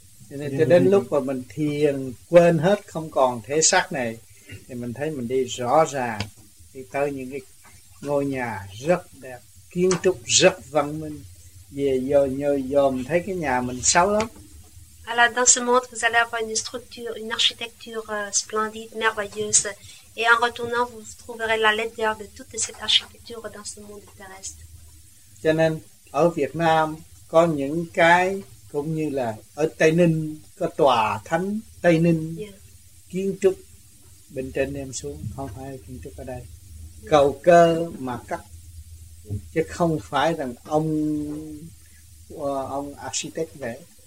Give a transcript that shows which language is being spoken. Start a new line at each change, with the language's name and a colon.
Vietnamese: Nên cho đến lúc mà mình thiền quên hết không còn thể xác này thì mình thấy mình đi rõ ràng, đi tới những cái ngôi nhà rất đẹp, kiến trúc rất văn minh. Về giờ nhờ dòm thấy cái nhà mình xấu lắm.
French: Alors dans ce monde, vous allez avoir une structure, une architecture splendide, merveilleuse. Et en retournant, vous trouverez la laideur de toute cette architecture dans ce monde terrestre.
Vietnamese: Cho nên, ở Việt Nam, có những cái, cũng như là ở Tây Ninh, có tòa thánh Tây Ninh, kiến trúc bên trên em xuống, không phải kiến trúc ở đây. Cầu cơ mà cắt, chứ không phải rằng ông architect vẽ.